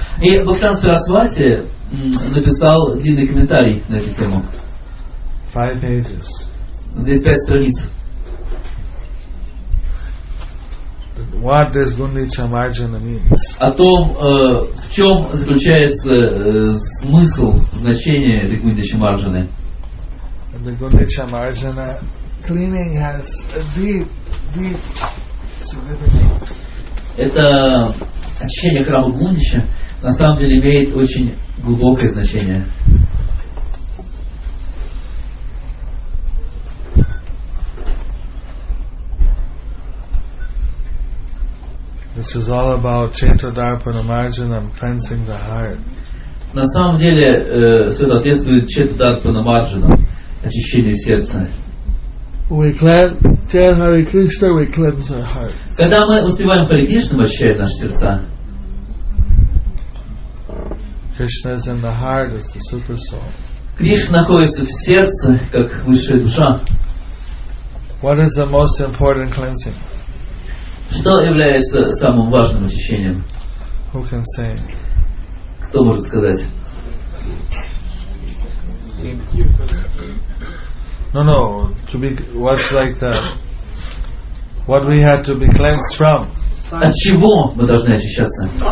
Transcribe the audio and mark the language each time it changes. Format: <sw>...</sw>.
<ru>И Бхактисиддханта Сарасвати написал длинный комментарий на эту тему.</ru> <en>5 pages.</en> <ru>Здесь 5 страниц.</ru> <en>What does Gundicha Marjana mean?</en> <ru>О том, в чем заключается смысл, значение этой Гундича Марджаны.</ru> <en>The Gundicha Marjana cleaning has a deep, deep significance.</en> <ru>Это очищение храма Гундича на самом деле имеет очень глубокое значение.</ru> <en>This is all about Chaitra Dharpana Marjanam, cleansing the heart.</en> <ru>На самом деле, все это соответствует Chaitra Dharpana Marjanam, очищение сердца.</ru> <en>We cleanse Hare Krishna, we cleanse our heart.</en> <ru>Когда мы успеваем Хари Кришну, мы очищаем наши сердца.</ru> <en>Krishna is in the heart as the super soul.</en> <ru>Кришна находится в сердце, как высшая душа.</ru> <en>What is the most important cleansing?</en> <ru>Что является самым важным очищением?</ru> <en>Who can say?</en> <ru>Кто может сказать?</ru> <en>No, no. To be what's like the what we had to be cleansed from?</en> <ru>От чего мы должны очищаться?</ru>